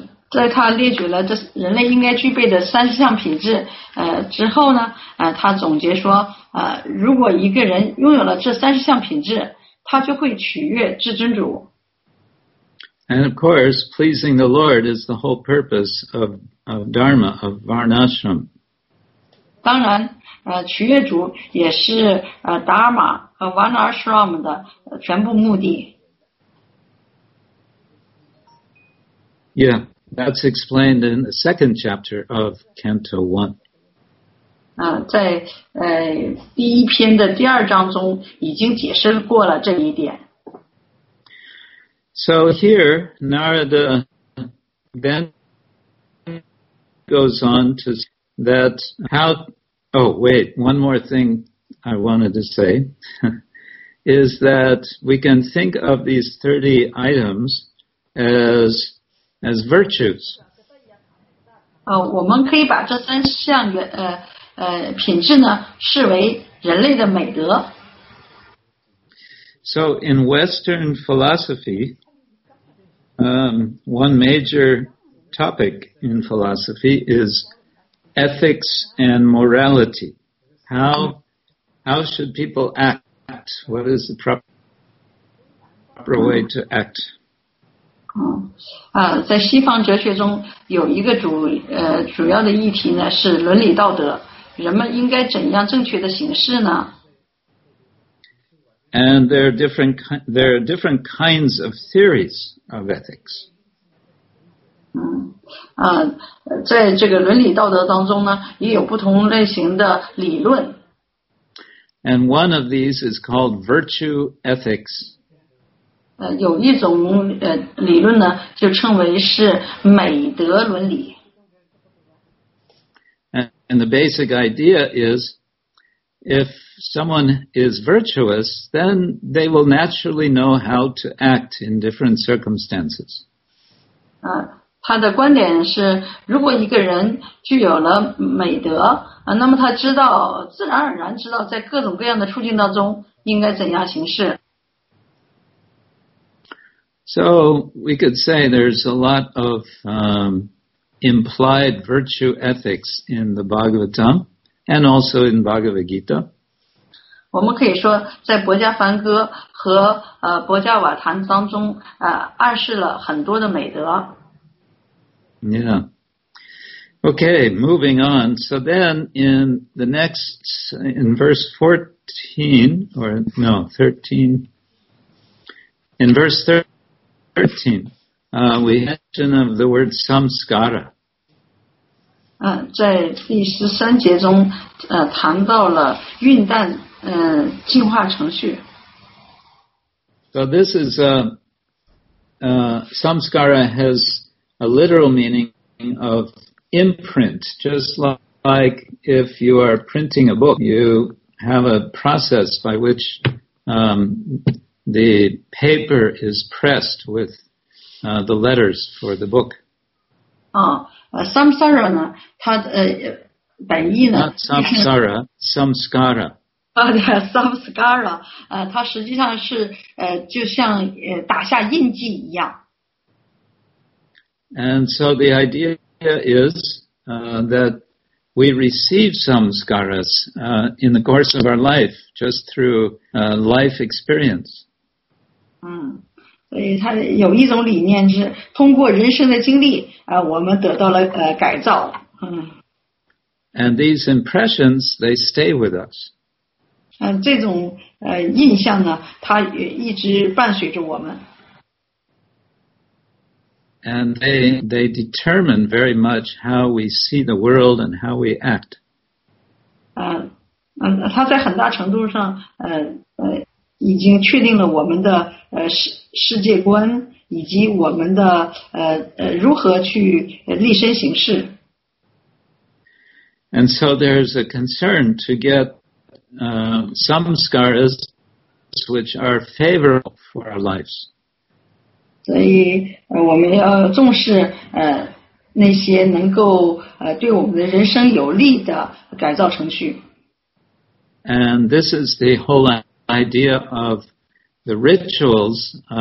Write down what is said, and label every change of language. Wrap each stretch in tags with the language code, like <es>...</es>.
<zh>在他列举了这人类应该具备的三十项品质之后呢他总结说如果一个人拥有了这三十项品质他就会取悦至尊主。</zh> <en>And of course, pleasing the Lord is the whole purpose of Dharma, of Varnashram.</en> <zh>当然取悦主也是Dharma 和 Varnashram 的全部目的。</zh> <en>Yeah, that's explained in the second chapter of Canto 1.</en> <zh>在第一篇的第二章中已经解释过了这一点。</zh> <en>So here, Narada then goes on to say that how... Oh, wait, one more thing I wanted to say is that we can think of these 30 items as virtues.</en> <zh>我们可以把这三项品质呢视为人类的美德。</zh> <en>So in Western philosophy, one major topic in philosophy is ethics and morality. How should people act? What is the proper way to act?</en> <zh>在西方哲学中有一个主要的议题呢是伦理道德，人们应该怎样正确的行事呢？</zh> <en>And there are different kinds of theories of ethics.</en> <zh>在这个伦理道德当中呢也有不同类型的理论。</zh> <en>And one of these is called virtue ethics.</en> <zh>有一种理论呢就称为是美德伦理。</zh> <en>And the basic idea is, if someone is virtuous, then they will naturally know how to act in different circumstances.</en> <zh>他的观点是如果一个人具有了美德那么他知道自然而然知道在各种各样的处境当中应该怎样行事。</zh> <en>So we could say there's a lot of implied virtue ethics in the Bhagavatam and also in Bhagavad Gita.</en> <zh>我们可以说在《博迦梵歌》和《博迦瓦坛》当中暗示了很多的美德。</zh> <en>Yeah. Okay, moving on. So then in verse 14, or no, 13, in verse 13, we mention of the word samskara.</en> <zh>在第十三节中谈到了蕴诞进化程序。</zh> <en>So this is samskara has a literal meaning of imprint, just like if you are printing a book, you have a process by which the paper is pressed with the letters for the book.</en> <zh>Samsara 呢它本意呢</zh> <en>Not samsara, samskara.</en> <zh>Samskara, 它实际上是就像打下印记一样。</zh> <en>And so the idea is that we receive samskaras in the course of our life, just through life experience.</en> <zh>所以它有一种理念是通过人生的经历我们得到了改造。</zh> <en>And these impressions, they stay with us.</en> <zh>这种印象呢，它一直伴随着我们。</zh> <en>And they determine very much how we see the world and how we act.</en> <zh>它在很大程度上已经确定了我们的世界观以及我们的如何去立身行事。</zh> <en>And so there's a concern to get some scars which are favorable for our lives.</en> <zh>所以我们要重视那些能够对我们的人生有利的改造程序。</zh> <en>And this is the whole idea of the rituals.</en>